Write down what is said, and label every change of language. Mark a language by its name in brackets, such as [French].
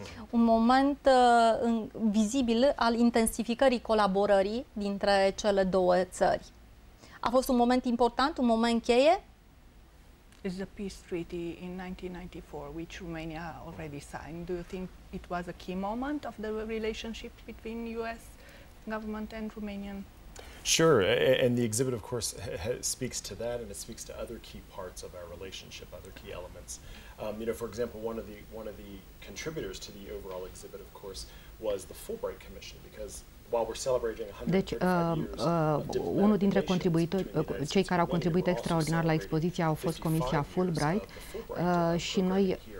[Romanian] Un moment vizibil al intensificării colaborării dintre cele două țări. A fost un moment important, un moment cheie? [English] Is the peace treaty in 1994, which Romania already signed. Do you think it was a key moment of the relationship between U.S. government and Romanian. Sure, and the exhibit, of course, speaks to that, and it speaks to other key parts of our relationship, other key elements. You know, for example, one of the contributors to the overall exhibit, of course, was the Fulbright Commission, because while we're celebrating 135 years, [Romanian] unul dintre contribuitori, cei care au contribuit extraordinar la expoziție, au fost Comisia Fulbright, și noi.